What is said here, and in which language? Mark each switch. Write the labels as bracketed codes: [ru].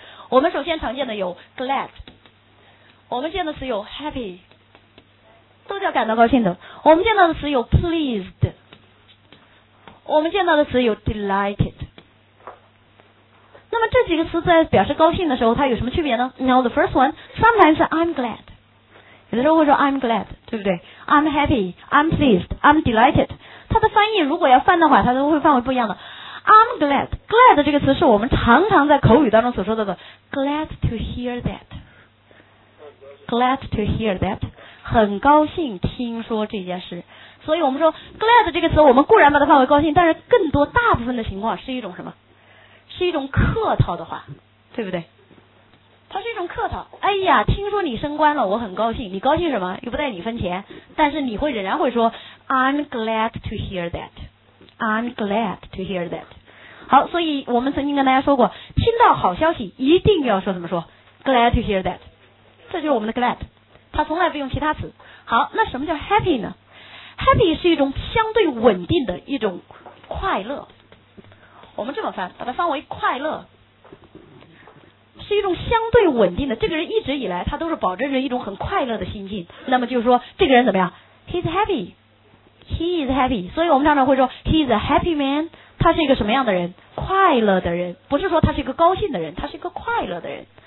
[zh] 我们首先常见的有 glad， 我们见的词有 happy， 都叫感到高兴的。我们见到的词有 pleased， 我们见到的词有 delighted。那么这几个词在表示高兴的时候它有什么区别呢？ [en] Now the first one， sometimes I'm glad， [zh] 有的时候会说 [en] I'm glad， [zh] 对不对？ [en] I'm happy， I'm pleased， I'm delighted。 [zh] 它的翻译如果要翻的话它都会范围不一样的。I'm glad， glad 这个词是我们常常在口语当中所说的 [en] glad to hear that， glad to hear that， [zh] 很高兴听说这件事。所以我们说 glad 这个词我们固然把它范围高兴，但是更多大部分的情况是一种什么？是一种客套的话，对不对？它是一种客套。哎呀，听说你升官了，我很高兴。你高兴什么？又不带你分钱。但是你会仍然会说 [en] I'm glad to hear that， I'm glad to hear that。 [zh] 好，所以我们曾经跟大家说过，听到好消息一定要说怎么说？ [en] glad to hear that， [zh] 这就是我们的 glad。他从来不用其他词。好，那什么叫 happy 呢？happy 是一种相对稳定的一种快乐，我们这么翻，把它翻为快乐，是一种相对稳定的，这个人一直以来他都是保证着一种很快乐的心境，那么就是说这个人怎么样， [en] he is happy， [zh] 所以我们常常会说 [en] he is a happy man， [zh] 他是一个什么样的人，快乐的人，不是说他是一个高兴的人，他是一个快乐的人。